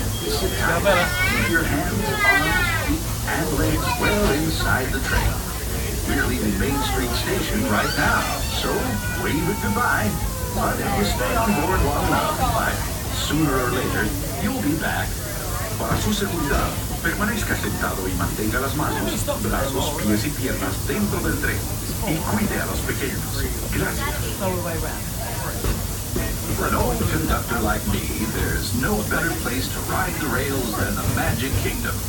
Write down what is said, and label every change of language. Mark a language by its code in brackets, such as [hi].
[en] Sit tight, keep your hands, arms, feet, and legs well inside the train. We're leaving Main Street Station right now, so wave it goodbye. But if you stay on board long enough, like, sooner or later, you'll be back. [es] Para su seguridad, permanezca sentado y mantenga las manos, brazos, pies y piernas dentro del tren. Y cuide a los pequeños. Gracias. [en] For an old conductor like me, there's no better place to ride the rails than the Magic Kingdom.